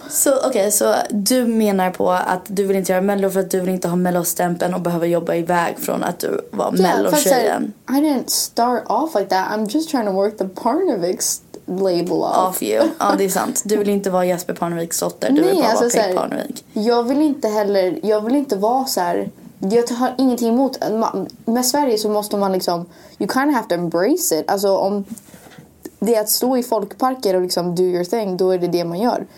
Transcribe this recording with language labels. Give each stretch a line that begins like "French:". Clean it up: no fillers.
Swedish: Så okej, okay, så du menar på att du vill inte göra Mello för att du vill inte ha Mello-stämpeln och behöva jobba iväg från att du var Mello-tjejen.
English: I didn't start off like that. I'm just trying to work the Parnevik label off
Swedish: you. Ja, det är sant. Du vill inte vara Jesper Parneviks dotter. Du vill bara vara Pink Parnevik. Jag vill inte heller, jag vill inte vara så här. Jag har ingenting emot. Med Sverige så måste man liksom,
English: you kind of have to embrace it.
Swedish: Alltså om det är att stå i folkparker och liksom
English: do your thing,
Swedish: då är det det man gör.